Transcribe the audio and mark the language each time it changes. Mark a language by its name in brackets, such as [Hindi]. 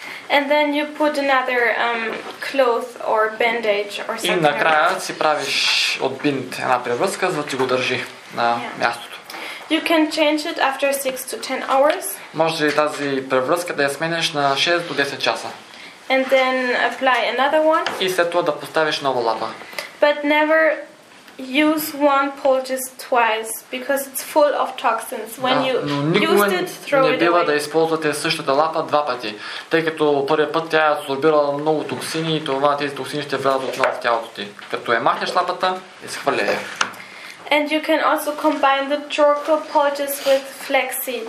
[English] And then you put another cloth or bandage or something. [Bulgarian] И накрая си правиш от бинт една превръзка, за да ти го държи на мястото. [English] You can change it after 6 to 10 hours. [Bulgarian] Може ли тази превръзка да я сменеш на 6 до 10 часа? [English] And then apply another one. [Bulgarian] И след това да поставиш нова лапа. [English] But never use one poultice twice because it's full of toxins. When you used it, throw it away. [Bulgarian] Не бива да използвате същата лапа два пъти, тъй като първият път тя абсорбира много токсини и това тези токсини ще влязат отново в тялото ти. Като я махнеш лапата, изхвърля я. [English] And you can also combine the charcoal poultice with flax seeds.